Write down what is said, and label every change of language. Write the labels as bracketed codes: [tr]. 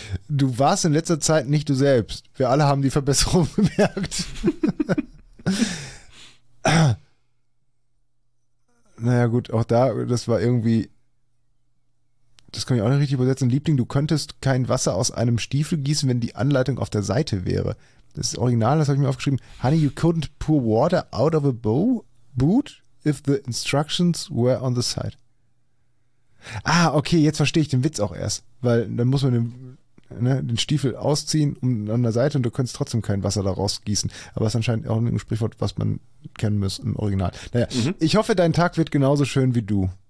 [de] Du warst in letzter Zeit nicht du selbst. Wir alle haben die Verbesserung bemerkt. Naja gut, auch da, das war irgendwie, das kann ich auch nicht richtig übersetzen. Liebling, du könntest kein Wasser aus einem Stiefel gießen, wenn die Anleitung auf der Seite wäre. Das ist original, das habe ich mir aufgeschrieben. [en] Honey, you couldn't pour water out of a boot if the instructions were on the side. [de] Ah, okay, jetzt verstehe ich den Witz auch erst. Weil dann muss man den Stiefel ausziehen an der Seite und du könntest trotzdem kein Wasser daraus gießen. Aber es ist anscheinend auch ein Sprichwort, was man kennen muss im Original. Naja, Ich hoffe, dein Tag wird genauso schön wie du.